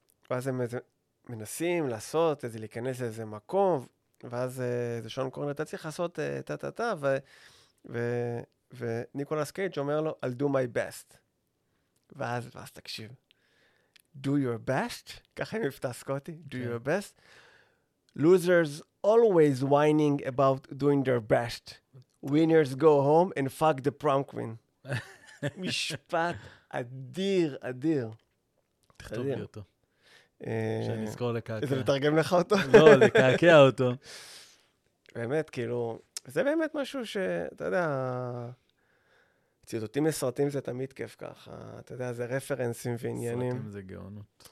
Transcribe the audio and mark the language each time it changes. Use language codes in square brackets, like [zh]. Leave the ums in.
[he] ואז הם איזה, מנסים לעשות איזה, להיכנס לאיזה מקום, ואז איזה שעון קורן, אתה צריך לעשות טה-טה-טה, וניקולס קייג' אומר לו, [en] I'll do my best. [he] ואז, ואז תקשיב, [en] do your best? [he] ככה עם מבטא סקוטי, [en] do your best? Losers always whining about doing their best. Winners go home and fuck the prom queen. [he] משפט אדיר, אדיר. תכתוב לי אותו. שאני אזכור לקעקע. זה לתרגם לך אותו? לא, לקעקע אותו. באמת, כאילו, זה באמת משהו שאתה יודע, ציטוטים לסרטים זה תמיד כיף ככה, אתה יודע, זה רפרנסים ועניינים. סרטים זה גאונות.